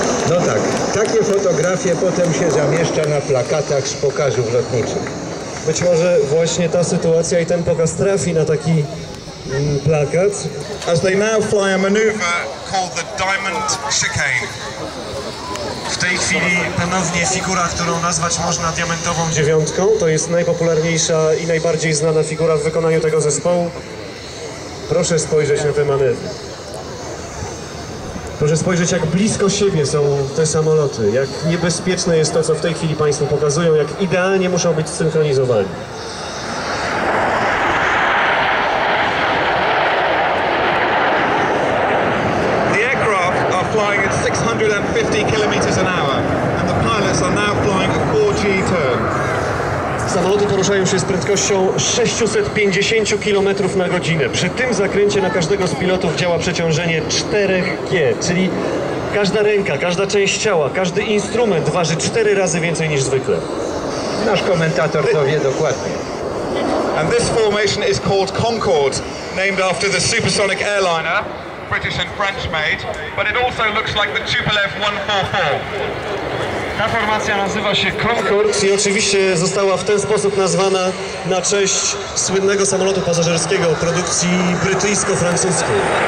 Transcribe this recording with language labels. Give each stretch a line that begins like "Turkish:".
Polish: No tak, takie fotografie potem się zamieszcza na plakatach z pokazów lotniczych. Być może właśnie ta sytuacja i ten pokaz trafi na taki plakat.
English: As they now fly a maneuver called the Diamond Chicane.
Polish: W tej chwili ponownie figura, którą nazwać można diamentową dziewiątką. To jest najpopularniejsza i najbardziej znana figura w wykonaniu tego zespołu. Proszę spojrzeć na te manewry. Proszę spojrzeć, jak blisko siebie są te samoloty, jak niebezpieczne jest to, co w tej chwili Państwu pokazują, jak idealnie muszą być zsynchronizowani.
English: The aircraft are flying at 650 km an hour and the pilots are now flying a 4G turn.
Polish: Samoloty poruszają się z prędkością 650 km na godzinę. Przy tym zakręcie na każdego z pilotów działa przeciążenie 4G, czyli każda ręka, każda część ciała, każdy instrument waży 4 razy więcej niż zwykle. Nasz komentator to wie dokładnie.
English: And this formation is called Concorde, named after the supersonic airliner, British and French made, but it also looks like the Tupolev 144.
Polish: Ta formacja nazywa się Concorde i oczywiście została w ten sposób nazwana na cześć słynnego samolotu pasażerskiego produkcji brytyjsko-francuskiej.